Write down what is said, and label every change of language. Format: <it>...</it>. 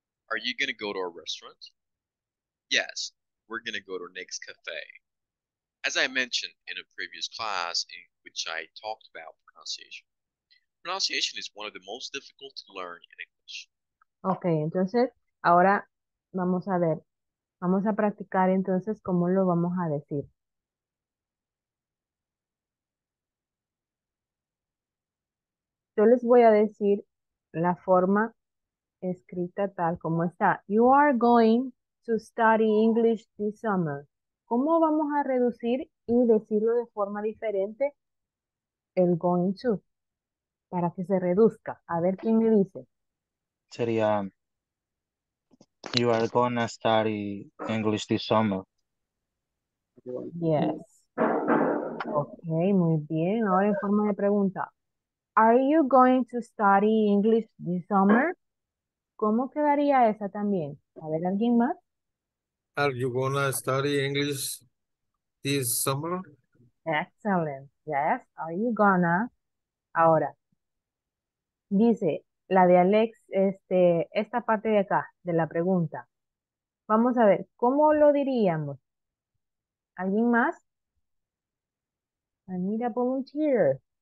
<en>Are you going to go to a restaurant? Yes, we're going to go to Nick's Cafe. As I mentioned in a previous class in which I talked about pronunciation, pronunciation is one of the most difficult to learn in English.</en> <es>Okay, entonces, ahora vamos a ver. Vamos a practicar entonces cómo lo vamos a decir. Yo les voy a decir la forma escrita tal como está.</es> <en>You are going to study English this summer.</en> <es>¿Cómo vamos a reducir y decirlo de forma diferente? El going to. Para que se reduzca. A ver quién me dice. Sería,</es> <en>you are going to study English this summer.</en> <es>Yes. Okay, muy bien. Ahora en forma de pregunta.</es> <en>Are you going to study English this summer?</en> <es>¿Cómo quedaría esa también? A ver, ¿alguien más?</es> <en>Are you going to study English this summer? Excellent. Yes, are you gonna?</en> <es>Ahora, dice la de Alex, esta parte de acá, de la pregunta. Vamos a ver, ¿cómo lo diríamos? ¿Alguien más?</es> <en>I need a volunteer.</en>